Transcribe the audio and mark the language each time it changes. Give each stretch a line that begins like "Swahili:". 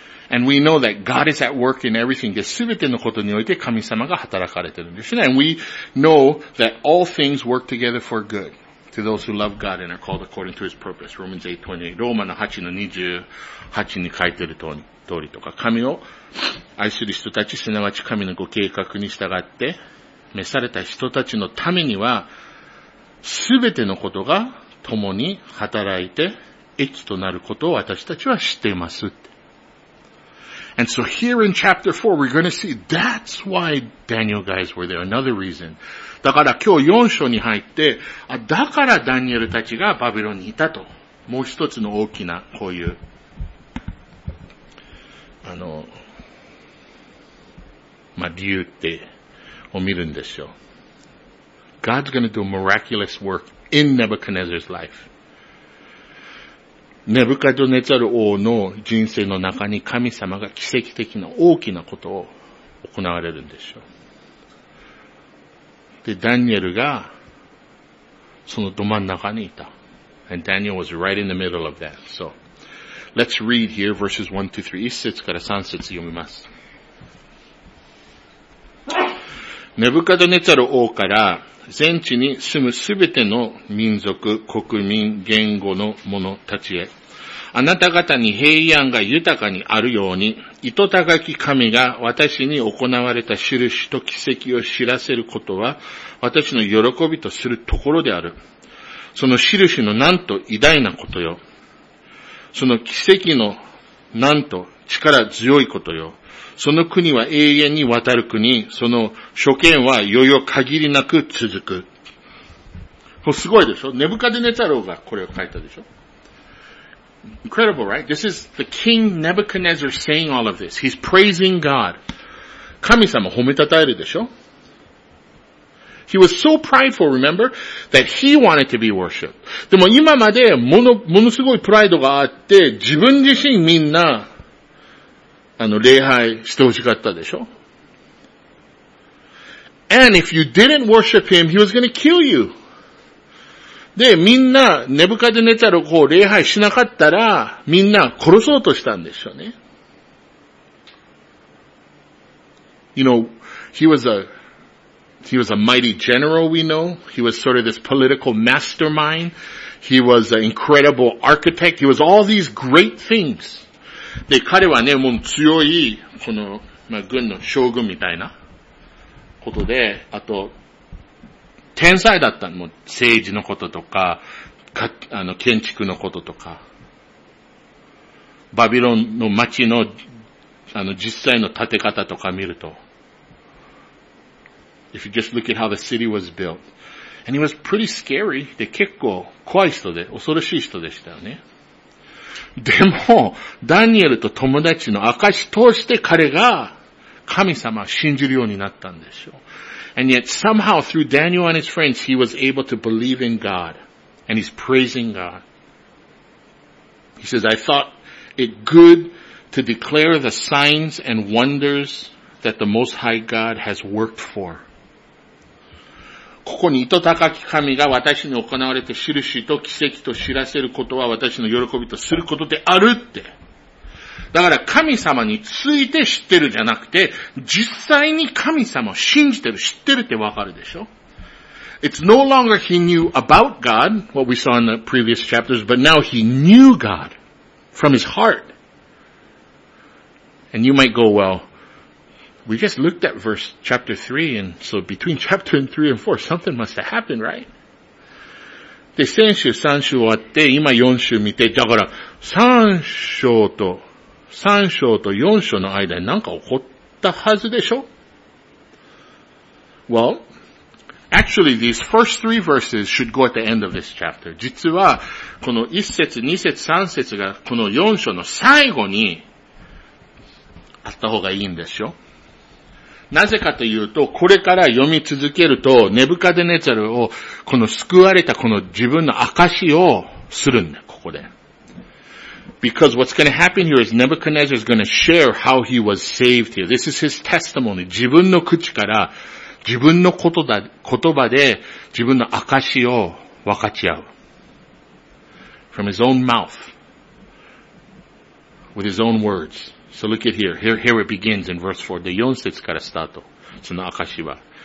English: And we know that God is at work in everything.
Japanese: で、すべてのことにおいて神様が働かれてるんです
English: ね。And we know that all things work together for good to those who love God and are called according to His purpose. Romans 8:28.
Japanese: ローマの8の28に書いてる通りとか、神を愛する人たち、すなわち神のご計画に従って、召された人たちのためには、すべてのことが共に働いて益となることを私たちは知っていますって。
English: And so here in chapter 4 we're going to see that's why Daniel guys were there. Another reason.
Japanese: だから今日4章に入って、あ、だからダニエルたちがバビロンにいたと。もう一つの大きなこういう、理由ってを見るんですよ。
English: God's going to do a miraculous work in Nebuchadnezzar's life.
Japanese: ネブカドネザル王の人生の中に神様が奇跡的な大きなことを行われるんでしょう。で、ダニエルがそのど真ん中にいた。
English: And Daniel was right in the middle of that. So, let's read here verses 1 to 3.
Japanese: 1節から3節読みます。ネブカドネザル王から全地に住むすべての民族、国民、言語の者たちへ。あなた方に平安が豊かにあるように、糸高き神が私に行われた印と奇跡を知らせることは、私の喜びとするところである。その印のなんと偉大なことよ。その奇跡のなんと力強いことよ。その国は永遠にわたる国、その諸権はいよいよ限りなく続く。すごいでしょ。ネブカデネザル王がこれを書いたでしょ。
English: Incredible, right? This is the king Nebuchadnezzar saying all of this. He's praising God.
Japanese: 神様褒めたたえるでしょ。
English: He was so prideful, remember, that he wanted to be worshipped.
Japanese: でも今までものすごいプライドがあって、自分自身みんな、礼拝してほしかったでしょ。
English: And if you didn't worship him, he was going to kill you.
Japanese: で、みんな、ネブカデネザルを礼拝しなかったら、みんな殺そうとしたんでしょうね。
English: You know, he was a mighty general, we know. He was sort of this political mastermind. He was an incredible architect. He was all these great things.
Japanese: で、彼はね、もう強い、この、まあ、軍の将軍みたいな、ことで、あと、天才だったの、もう政治のこととか、建築のこととか。バビロンの町の、あの、実際の建て方とか見ると。
English: If you just look at how the city was built. And he was pretty scary.
Japanese: で、結構怖い人で、恐ろしい人でしたよね。でも、ダニエルと友達の証通して彼が神様を信じるようになったんでしょう。
English: And yet somehow through Daniel and his friends, he was able to believe in God. And he's praising God. He says, I thought it good to declare the signs and wonders that the Most High God has worked for.
Japanese: ここに糸高き神が私に行われて印と奇跡と知らせることは私の喜びとすることであるって。だから神様について知ってるじゃなくて、実際に神様を信じてる、知ってるってわかるでしょ。
English: It's no longer he knew about God, what we saw in the previous chapters, but now he knew God from his heart. And you might go, well, we just looked at verse chapter 3, and so between chapter 3 and 4, something must have happened, right?
Japanese: で、先週3週終わって、今4週見て、だから3章と4章の間に何か起こったはずでしょ?
English: Well,Actually, these first three verses should go at the end of this chapter.
Japanese: 実は、この1節、2節、3節が、この4章の最後に、あった方がいいんですよ。なぜかというと、これから読み続けると、ネブカデネザルを、この救われたこの自分の証をするんだ、ここで。
English: Because what's going to happen here is Nebuchadnezzar is going to share how he was saved here. This is his testimony.
Japanese: 自分の口から、自分のことだ、言葉で自分の証を分かち合う。
English: From his own mouth. With his own words. So look at here. Here it begins in verse 4.
Japanese: で、4節からスタート。その証は。